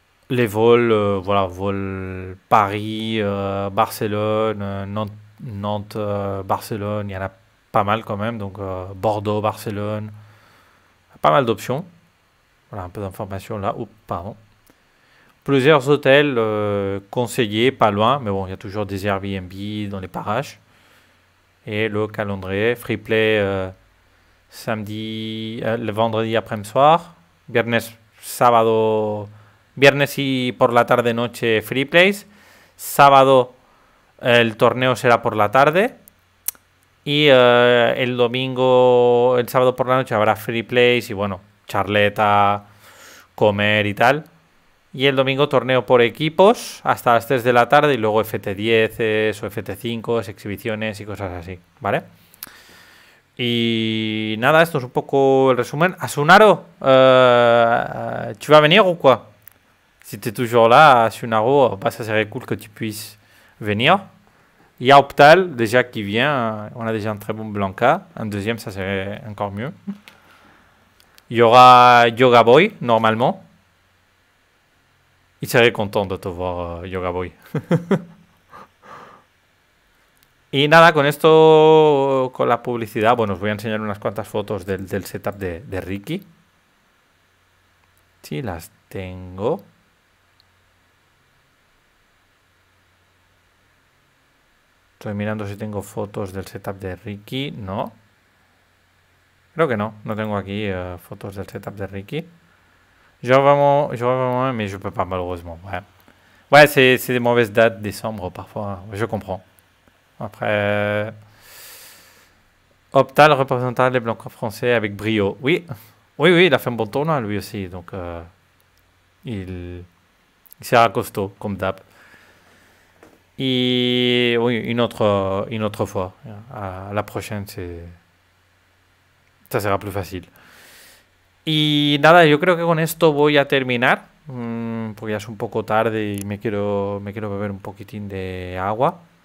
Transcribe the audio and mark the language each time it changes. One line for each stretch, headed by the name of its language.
French: Les vols, vol Paris, Barcelone, Nantes, Barcelone, il y en a pas mal quand même. Donc Bordeaux, Barcelone, pas mal d'options. Voilà, un peu d'informations là. Oups, pardon. Plusieurs hôtels conseillés, pas loin, mais bon, il y a toujours des Airbnb dans les parages. Et le calendrier, free play samedi, le vendredi après-midi soir,
Spanish: viernes, sábado, viernes y por la tarde noche free plays, sábado el torneo será por la tarde y el domingo, el sábado por la noche habrá free plays y bueno, charleta, comer y tal. Y el domingo torneo por equipos hasta las 3 de la tarde y luego FT10 o FT5, exhibiciones y cosas así, ¿vale? Y nada, esto es un poco el resumen. Asunaro, ¿tú vas a venir o qué? Si estás
French: toujours là,
Spanish: Asunaro, pues sería cool que tú puedas venir.
French: Y a Optal, déjà qui vient, on a déjà un très bon Blanca. Un deuxième, ça serait encore mieux. Y aura Yoga Boy, normalement.
Spanish: Y seré contento de te ver, Yoga Boy. Y nada, con esto, con la publicidad, bueno, os voy a enseñar unas cuantas fotos del setup de Ricky. Sí, las tengo. Estoy mirando si tengo fotos del setup de Ricky. No. Creo que no. No tengo aquí fotos del setup de Ricky.
French: Je vais vraiment, mais je peux pas malheureusement. Ouais. Ouais, c'est des mauvaises dates, décembre parfois. Je comprends. Après. Optal représentant les blancs français avec brio. Oui. Oui, il a fait un bon tournoi lui aussi. Donc. Il sera costaud, comme d'hab. Et oui, une autre fois. À la prochaine, ça sera plus facile.
Spanish: Y nada, yo creo que con esto voy a terminar, porque ya es un poco tarde y me quiero beber un poquitín de agua.